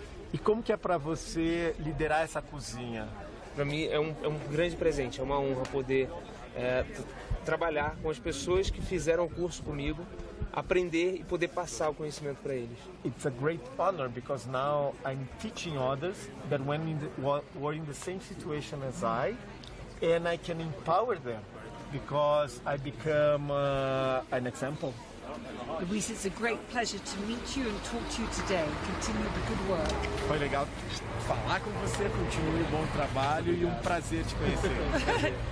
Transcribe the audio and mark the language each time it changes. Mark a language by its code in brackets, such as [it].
[pt] E como que é para você liderar essa cozinha? Para mim é um grande presente, é uma honra poder trabalhar com as pessoas que fizeram o curso comigo. Aprender e poder passar o conhecimento para eles. [en] It's a great honor because now I'm teaching others that when were in the same situation as I, and I can empower them because I become an example. Luis, it's a great pleasure to meet you and talk to you today. Continue the good work. [pt] Foi legal falar com você, continue o bom trabalho e prazer te conhecer.